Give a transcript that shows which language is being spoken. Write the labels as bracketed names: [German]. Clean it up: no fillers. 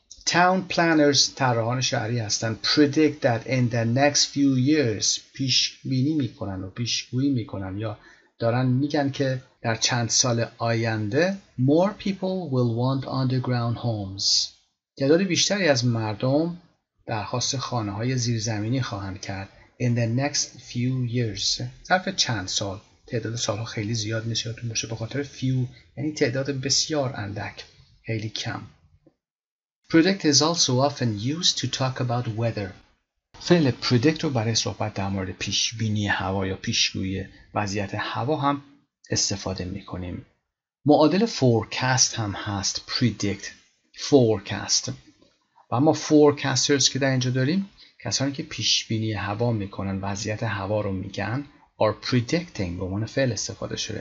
[English] Town planners، [Persian] طراحان شهری هستند، [English] predict that in the next few years، [Persian] پیشبینی میکنن و پیشگویی میکنن یا دارن میگن که در چند سال آینده [English] more people will want underground homes، [Persian] تعداد بیشتری از مردم درخواست خانه های زیرزمینی خواهند کرد. [English] in the next few years، [Persian] ظرف چند سال، تعداد سال ها خیلی زیاد نیست یادتون باشه، به خاطر few یعنی تعداد بسیار اندک، خیلی کم. [English] Predict is also often used to talk about weather. [Persian] فعل predict رو برای صحبت در مورد پیشبینی هوا یا پیشگویی وضعیت هوا هم استفاده می کنیم. معادل فورکست هم هست، predict، forecast. و اما forecasters که در اینجا داریم، کسانی که پیشبینی هوا میکنن، وضعیت هوا رو میگن، [English] are predicting [Persian] به عنوان فعل استفاده شده.